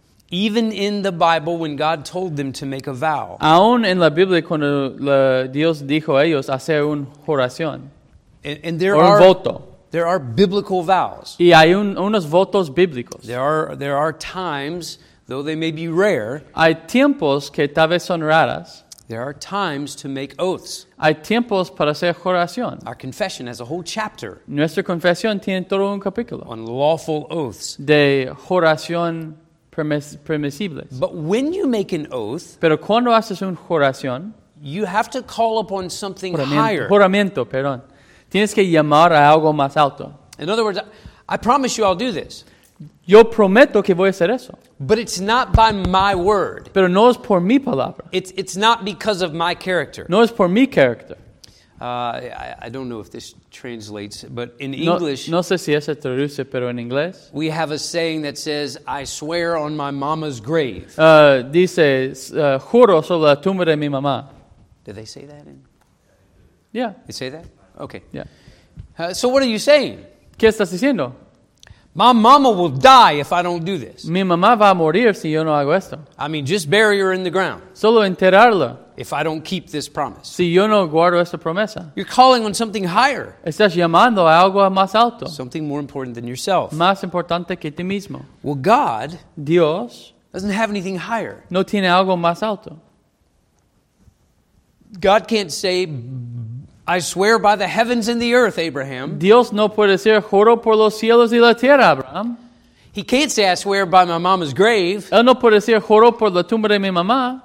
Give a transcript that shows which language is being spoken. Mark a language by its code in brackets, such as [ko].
[en] Even in the Bible, when God told them to make a vow. [es] Aún en la Biblia, cuando Dios dijo a ellos hacer una oración. [en] And there are [es] voto. [en] There are biblical vows. [es] Y hay unos votos bíblicos. [en] There are times, though they may be rare. [es] Hay tiempos que tal vez son raras. [en] There are times to make oaths. [es] Hay tiempos para hacer juración. [en] Our confession has a whole chapter. [es] Nuestra confesión tiene todo un capítulo. [en] On lawful oaths. [es] De juración permisibles. [en] But when you make an oath. [es] Pero cuando haces una juración. [en] You have to call upon something higher. [es] Juramento, perdón. Tienes que llamar a algo más alto. [en] In other words, I promise you I'll do this. [es] Yo prometo que voy a hacer eso. [en] But it's not by my word. [es] Pero no es por mi palabra. [en] It's not because of my character. [es] No es por mi carácter. [en] I don't know if this translates, but in English. [es] No sé si eso traduce, pero en inglés. [en] We have a saying that says, I swear on my mama's grave. [es] Dice, juro sobre la tumba de mi mamá. [en] Do they say that? Yeah. They say that? Okay. Yeah. So what are you saying? [es] ¿Qué estás diciendo? [en] My mama will die if I don't do this. [es] Mi mamá va a morir si yo no hago esto. [en] I mean, just bury her in the ground. [es] Solo enterrarla. [en] If I don't keep this promise. [es] Si yo no guardo esta promesa. [en] You're calling on something higher. [es] Estás llamando a algo más alto. [en] Something more important than yourself. [es] Más importante que ti mismo. [en] Well, God. [es] Dios. [en] Doesn't have anything higher. [es] No tiene algo más alto. [en] God can't say, I swear by the heavens and the earth, Abraham. [es] Dios no puede decir, juro por los cielos y la tierra, Abraham. [en] He can't say, I swear by my mama's grave. [es] Él no puede decir, juro por la tumba de mi mamá.